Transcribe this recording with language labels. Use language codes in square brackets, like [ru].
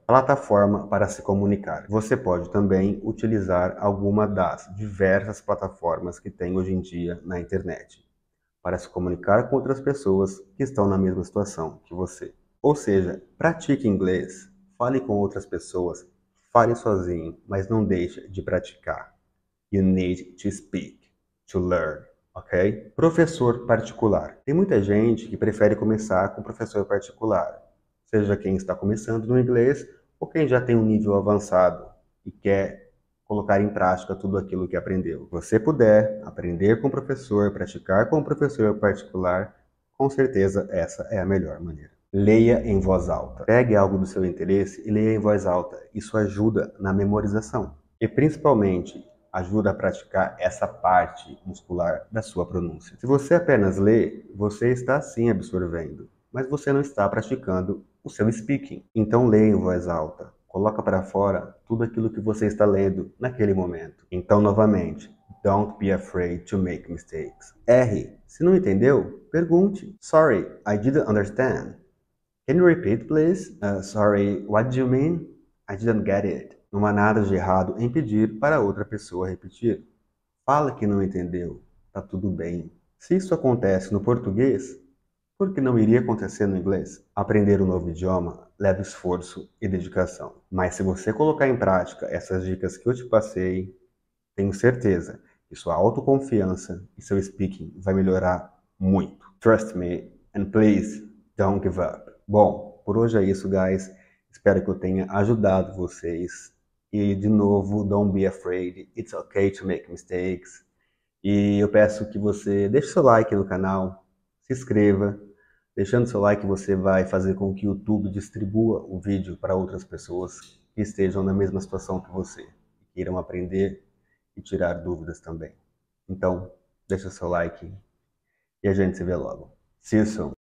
[pt] Plataforma para se comunicar. Você pode também utilizar alguma das diversas plataformas que tem hoje em dia na internet para se comunicar com outras pessoas que estão na mesma situação que você. Ou seja, pratique inglês, fale com outras pessoas, fale sozinho, mas não deixe de praticar. [en] You need to speak, to learn, ok? [pt] Professor particular. Tem muita gente que prefere começar com professor particular, seja quem está começando no inglês ou quem já tem um nível avançado e quer colocar em prática tudo aquilo que aprendeu. Se você puder aprender com o professor, praticar com o professor particular, com certeza essa é a melhor maneira. Leia em voz alta. Pegue algo do seu interesse e leia em voz alta. Isso ajuda na memorização. E principalmente ajuda a praticar essa parte muscular da sua pronúncia. Se você apenas lê, você está sim absorvendo, mas você não está praticando o seu speaking. Então leia em voz alta. Coloca para fora tudo aquilo que você está lendo naquele momento. Então, novamente, [en] don't be afraid to make mistakes. [pt] Erre. Se não entendeu, pergunte. [en] Sorry, I didn't understand. Can you repeat, please? Sorry, what do you mean? I didn't get it. [pt] Não há nada de errado em pedir para outra pessoa repetir. Fala que não entendeu. Tá tudo bem. Se isso acontece no português, por que não iria acontecer no inglês? Aprender um novo idioma leva esforço e dedicação. Mas se você colocar em prática essas dicas que eu te passei, tenho certeza que sua autoconfiança e seu speaking vai melhorar muito. [en] Trust me and please don't give up. [pt] Bom, por hoje é isso, guys. Espero que eu tenha ajudado vocês. E, de novo, [en] don't be afraid. It's okay to make mistakes. [pt] E eu peço que você deixe seu like no canal, se inscreva. Deixando seu like, você vai fazer com que o YouTube distribua o vídeo para outras pessoas que estejam na mesma situação que você, que irão aprender e tirar dúvidas também. Então, deixa seu like e a gente se vê logo. [en] See you soon.